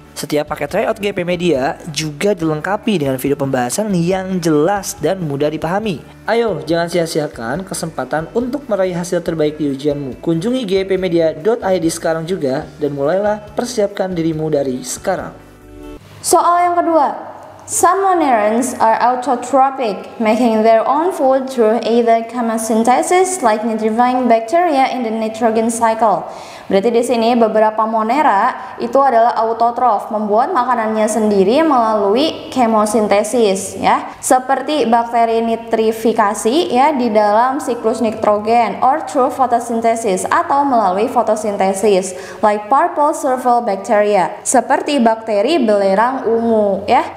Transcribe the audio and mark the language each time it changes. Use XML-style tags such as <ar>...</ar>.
<id>Setiap paket tryout GP Media juga dilengkapi dengan video pembahasan yang jelas dan mudah dipahami. Ayo, jangan sia-siakan kesempatan untuk meraih hasil terbaik di ujianmu. Kunjungi gpmedia.id sekarang juga dan mulailah persiapkan dirimu dari sekarang. Soal yang kedua.</id> <en>Some monerans are autotrophic, making their own food through either chemosynthesis like nitrifying bacteria in the nitrogen cycle.</en> <id>Berarti di sini beberapa monera itu adalah autotrof, membuat makanannya sendiri melalui kemosintesis ya. Seperti bakteri nitrifikasi ya di dalam siklus nitrogen,</id> <en>or through photosynthesis</en> <id>atau melalui fotosintesis,</id> <en>like purple serval bacteria,</en> <id>seperti bakteri belerang ungu ya.</id>